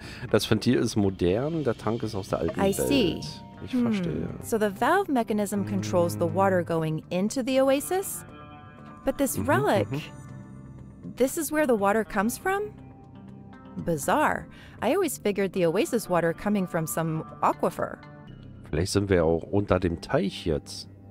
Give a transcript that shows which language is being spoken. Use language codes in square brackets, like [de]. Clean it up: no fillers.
[de] Das Ventil ist modern, der Tank ist aus der alten Welt. [en] I see. [de] Ich verstehe. [en] So the valve mechanism controls the water going into the oasis? But this relic, this is where the water comes from? Bizarre. I always figured the oasis water coming from some aquifer. [de] Vielleicht sind wir auch unter dem Teich jetzt.